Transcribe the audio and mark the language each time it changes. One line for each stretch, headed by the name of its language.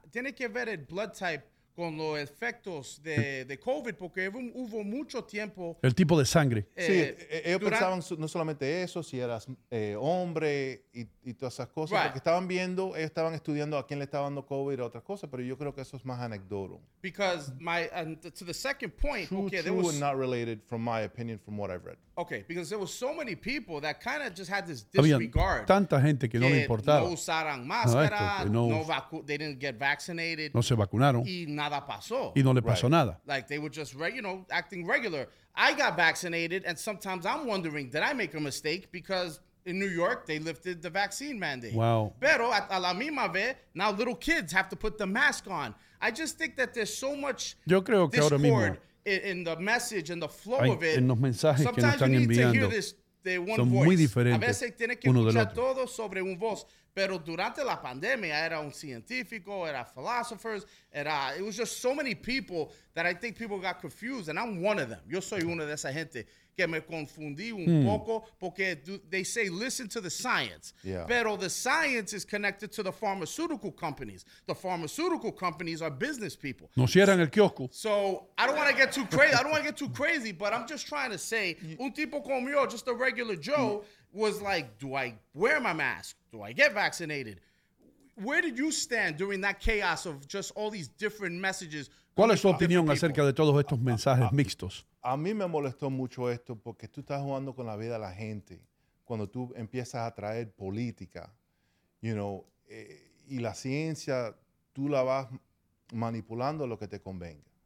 Spanish: Tiene que ver el
English: blood type
Spanish: con los efectos de COVID, porque hubo mucho tiempo. El tipo de sangre. Sí, ellos pensaban no solamente eso, si eras hombre y todas esas cosas, right. Porque estaban viendo, ellos estaban estudiando a quién le estaba dando COVID o otras cosas, pero yo creo que eso es más anecdotal.
English: Because to the second point, true, not related from my opinion, from what I've read. Okay, because there were so many people that kind of just had this disregard.
Spanish: Había tanta gente que no le importaba. No usaron máscara,
English: they didn't get vaccinated.
Spanish: No se vacunaron. Y nada pasó. Y no le pasó nada.
English: Like they were just, acting regular. I got vaccinated, and sometimes I'm wondering, did I make a mistake? Because in New York, they lifted the vaccine mandate. Wow.
Spanish: Pero a la misma vez,
English: now little kids have to put the mask on. I just think that there's so much discord in the message and the flow of it.
Spanish: En los mensajes que nos están enviando.
English: Sometimes you need to hear this, the one
Spanish: voice. A veces tiene que escuchar todo sobre un voz. Pero durante la pandemia era un científico, era
English: philosophers, it was just so many people that I think people got confused, and I'm one of them.
Spanish: Yo soy una de esa gente que me confundí un poco porque
English: they say listen to the science. Yeah. Pero the science is connected to the pharmaceutical companies. The pharmaceutical companies are business people.
Spanish: No cierran el kiosco.
English: So I don't want to get too crazy. I don't want to get too crazy, but I'm just trying to say
Spanish: un tipo como yo,
English: just a regular Joe, was like, do I wear my mask? Do I get vaccinated? Where did you stand during that chaos of just all these different messages?
Spanish: ¿Cuál es tu opinión acerca de todos estos mensajes mixtos? A mí me molestó mucho esto porque tú estás jugando con la vida de la gente cuando tú empiezas a traer política,
English: you know,
Spanish: y la ciencia tú la vas manipulando lo que te convenga.